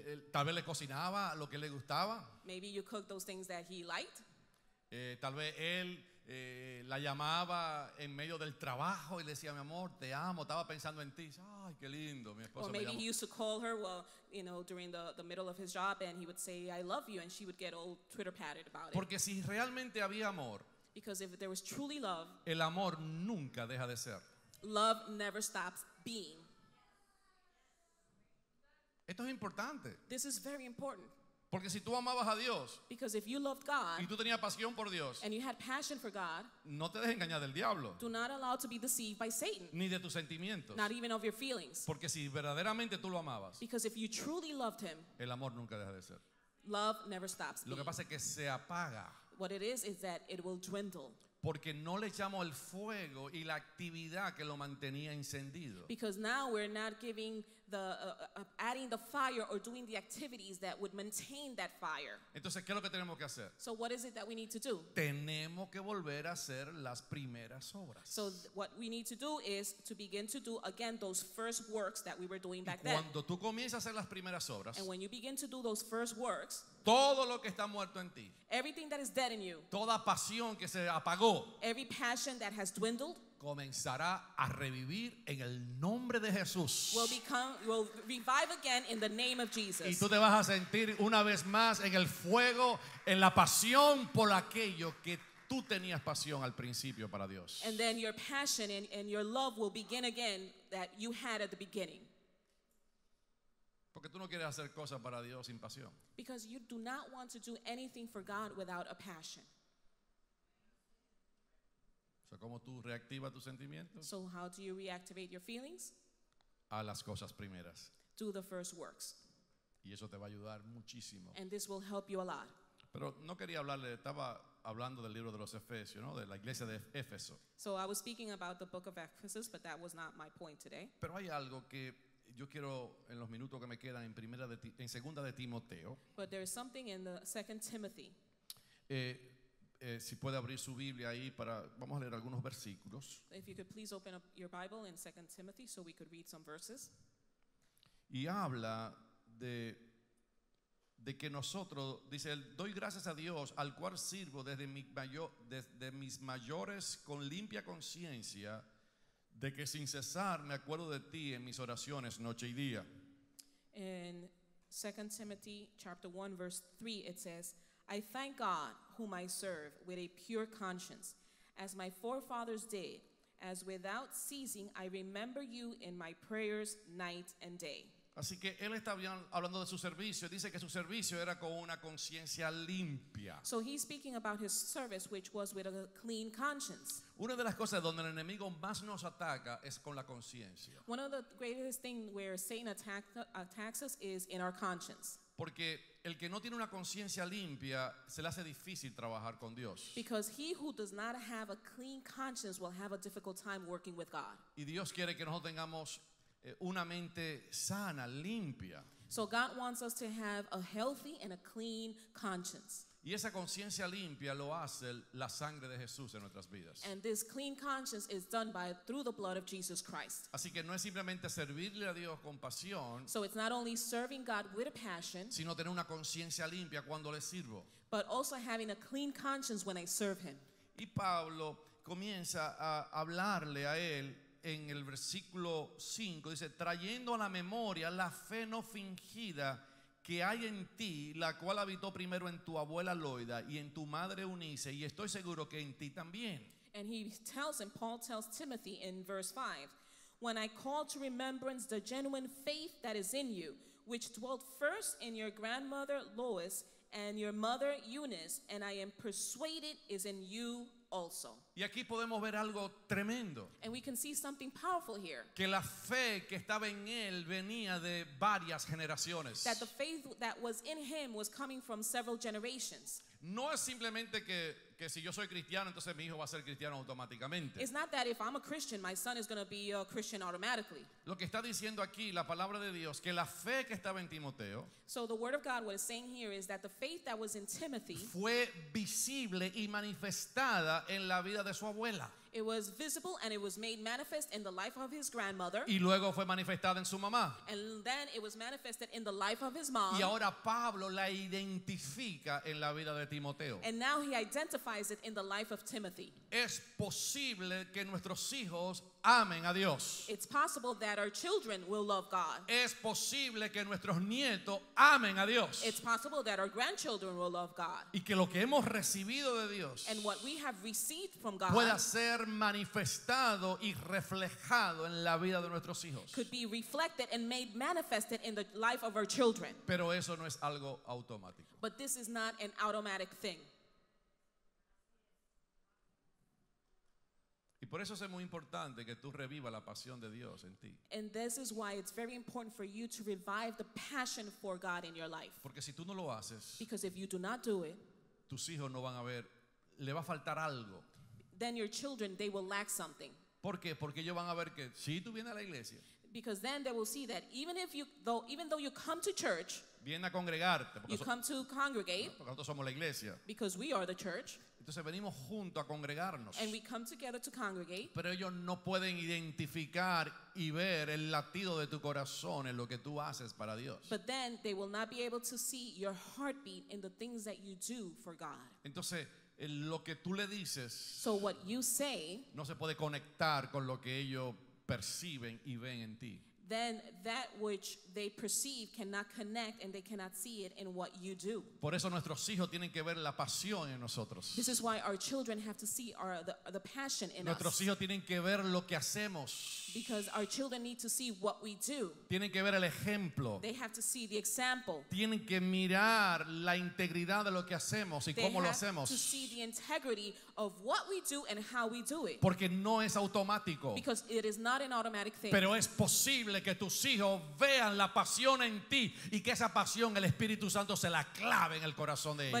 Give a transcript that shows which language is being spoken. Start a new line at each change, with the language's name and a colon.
Spanish: Tal vez le cocinaba lo que le gustaba.
English: Maybe you cooked those things that he liked.
Spanish: Tal vez él la llamaba en medio del trabajo y le decía, mi amor, te amo, estaba pensando en ti. Ay, qué lindo, mi esposo.
English: Or maybe
Spanish: me llamó.
English: He used to call her, well, you know, during the middle of his job, and he would say, I love you, and she would get all Twitter-patted about it.
Spanish: Porque si realmente había amor,
English: because if there was truly love,
Spanish: el amor nunca deja de ser.
English: Love never stops being.
Spanish: Esto es importante.
English: This is very important.
Spanish: Porque si tú amabas a Dios,
English: because if you loved God,
Spanish: y tú tenías pasión por Dios,
English: and you had passion for God,
Spanish: no te dejes engañar del diablo.
English: Do not allow to be deceived by Satan.
Spanish: Ni de tus sentimientos.
English: Not even of your feelings.
Spanish: Porque si verdaderamente tú lo amabas,
English: because if you truly loved him,
Spanish: el amor nunca deja de ser.
English: Love never stops.
Spanish: Lo que pasa es que se apaga.
English: What it is that it will dwindle.
Spanish: Porque no le echamos el fuego y la actividad que lo mantenía encendido.
English: Because now we're not giving the adding the fire or doing the activities that would maintain that fire.
Spanish: Entonces, ¿qué es lo que tenemos que hacer?
English: So what is it that we need to do?
Spanish: Tenemos que volver a hacer las primeras obras.
English: So what we need to do is to begin to do again those first works that we were doing back then.
Spanish: Cuando tú comienzas a hacer las primeras obras,
English: and when you begin to do those first works,
Spanish: todo lo que está muerto en ti,
English: everything that is dead in you,
Spanish: toda pasión que se apagó,
English: every passion that has dwindled,
Spanish: comenzará a revivir en el nombre de Jesús.
English: Will revive again in the name of Jesus.
Spanish: Y tú te vas a sentir una vez más en el fuego, en la pasión por aquello que tú tenías pasión al principio para Dios.
English: And then your passion and your love will begin again that you had at the beginning.
Spanish: Porque tú no quieres hacer cosas para Dios sin pasión.
English: Because you do not want to do anything for God without a passion.
Spanish: O sea, ¿cómo tú reactivas tus sentimientos?
English: So how do you reactivate your feelings?
Spanish: A las cosas primeras.
English: Do the first works.
Spanish: Y eso te va a ayudar muchísimo.
English: And this will help you a lot.
Spanish: Pero no quería hablarle, estaba hablando del libro de los Efesios, ¿no? De la iglesia de Éfeso.
English: So I was speaking about the book of Ephesus, but that was not my point today.
Spanish: Pero hay algo que yo quiero en los minutos que me quedan en primera de en segunda de Timoteo.
English: But there is something in the second Timothy.
Spanish: Si puede abrir su Biblia ahí para vamos a leer algunos versículos.
English: If you could please open up your Bible in second Timothy so we could read some verses.
Spanish: Y habla de que nosotros dice él, doy gracias a Dios al cual sirvo desde mis mayores con limpia conciencia. De que sin cesar me acuerdo de ti en mis oraciones noche y día.
English: In 2 Timothy chapter 1 verse 3 it says, I thank God whom I serve with a pure conscience, as my forefathers did, as without ceasing I remember you in my prayers night and day.
Spanish: Así que él está hablando de su servicio. Dice que su servicio era con una conciencia limpia.
English: So he's speaking about his service, which was with a clean conscience.
Spanish: Una de las cosas donde el enemigo más nos ataca es con la conciencia.
English: One of the greatest things where Satan attacks us is in our conscience.
Spanish: Porque el que no tiene una conciencia limpia se le hace difícil trabajar con Dios.
English: Because he who does not have a clean conscience will have a difficult time working with God.
Spanish: Y Dios quiere que nosotros tengamos una mente sana, limpia.
English: So God wants us to have a healthy and a clean conscience.
Spanish: Y esa conciencia limpia lo hace la sangre de Jesús en nuestras vidas.
English: And this clean conscience is done by through the blood of Jesus Christ.
Spanish: Así que no es simplemente servirle a Dios con pasión,
English: so it's not only serving God with a passion,
Spanish: sino tener una conciencia limpia cuando le sirvo,
English: but also having a clean conscience when I serve him.
Spanish: Y Pablo comienza a hablarle a él en el versículo 5, dice, trayendo a la memoria la fe no fingida que hay en ti, la cual habitó primero en tu abuela Loida y en tu madre Eunice, y estoy seguro que en ti también.
English: And he tells him, Paul tells Timothy in verse 5, when I call to remembrance the genuine faith that is in you, which dwelt first in your grandmother Lois and your mother Eunice, and I am persuaded is in you also.
Spanish: Y aquí podemos ver algo tremendo.
English: And we can see something powerful here.
Spanish: Que la fe que estaba en él venía de varias generaciones.
English: That the faith that was in him was coming from several generations.
Spanish: No es simplemente que si yo soy cristiano, entonces mi hijo va a ser cristiano automáticamente.
English: It's not that if I'm a Christian, my son is going to be a Christian automatically.
Spanish: Lo que está diciendo aquí, la palabra de Dios, que la fe que estaba en Timoteo,
English: so the word of God, what it's saying here is that the faith that was in Timothy
Spanish: fue visible y manifestada en la vida de su abuela.
English: It was visible and it was made manifest in the life of his grandmother.
Spanish: Y luego fue manifestada en su mamá.
English: And then it was manifested in the life of his mom.
Spanish: Y ahora Pablo la identifica en la vida de Timoteo.
English: And now he identifies it in the life of Timothy.
Spanish: Es posible que nuestros hijos amen a Dios.
English: It's possible that our children will love God.
Spanish: Es posible que nuestros nietos amen a Dios.
English: It's possible that our grandchildren will love God.
Spanish: Y que lo que hemos recibido de Dios,
English: and what we have received from God,
Spanish: pueda ser manifestado y reflejado en la vida de nuestros hijos.
English: Could be reflected and made manifested in the life of our children.
Spanish: Pero eso no es algo automático.
English: But this is not an automatic thing.
Spanish: Y por eso es muy importante que tú revivas la pasión de Dios en ti.
English: And this is why it's very important for you to revive the passion for God in your life.
Spanish: Porque si tú no lo haces,
English: because if you do not do it,
Spanish: tus hijos no van a ver, le va a faltar algo.
English: Then your children, they will lack something.
Spanish: ¿Por qué? Porque ellos van a ver que si tú vienes a la iglesia,
English: because then they will see that even though you come to church,
Spanish: viene a congregarte,
English: you come to congregate,
Spanish: porque nosotros somos la iglesia,
English: because we are the church,
Spanish: entonces venimos juntos a congregarnos,
English: and we come together to congregate,
Spanish: pero ellos no pueden identificar y ver el latido de tu corazón en lo que tú haces para Dios.
English: But then they will not be able to see your heartbeat in the things that you do for God.
Spanish: Entonces en lo que tú le dices,
English: so what you say,
Spanish: no se puede conectar con lo que ellos perciben y ven en ti.
English: Then that which they perceive cannot connect and they cannot see it in what you do.
Spanish: Por eso nuestros hijos tienen que ver la pasión en nosotros.
English: This is why our children have to see the passion in
Spanish: nuestros
English: us.
Spanish: Nuestros hijos tienen que ver lo que hacemos.
English: Because our children need to see what we do.
Spanish: Tienen que ver el ejemplo.
English: They have to see the example.
Spanish: Tienen que mirar la integridad de lo que hacemos y
English: they
Spanish: cómo lo hacemos.
English: They have to see the integrity of what we do and how we do it.
Spanish: Porque no es automático.
English: Because it is not an automatic thing.
Spanish: Pero es posible que tus hijos vean la pasión en ti y que esa pasión el Espíritu Santo se la clave en el corazón de ellos.